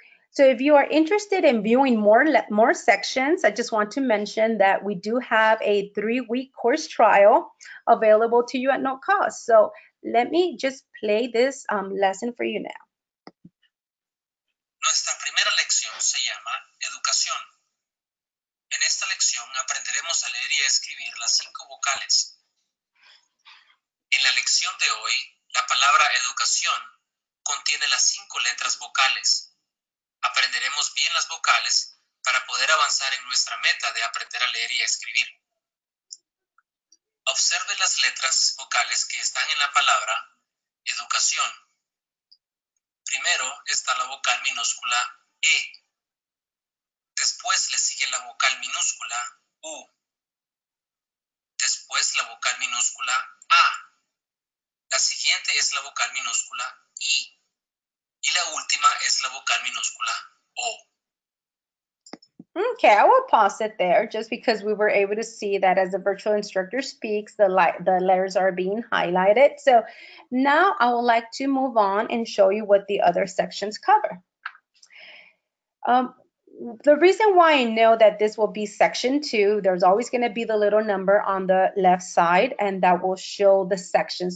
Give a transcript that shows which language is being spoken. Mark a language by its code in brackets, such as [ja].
[en] So if you are interested in viewing more sections, I just want to mention that we do have a three-week course trial available to you at no cost. So let me just play this lesson for you now. [es] Nuestra primera lección se llama Educación. En esta lección aprenderemos a leer y a escribir las cinco vocales. En la lección de hoy, la palabra educación contiene las cinco letras vocales. Aprenderemos bien las vocales para poder avanzar en nuestra meta de aprender a leer y a escribir. Observe las letras vocales que están en la palabra educación. Primero está la vocal minúscula E. Después le sigue la vocal minúscula U. Después la vocal minúscula A. La siguiente es la vocal minúscula I y la última es la vocal minúscula O. [en] Okay, I will pause it there just because we were able to see that as the virtual instructor speaks, the letters are being highlighted. So now I would like to move on and show you what the other sections cover. The reason why I know that this will be section two, there's always going to be the little number on the left side, and that will show the section.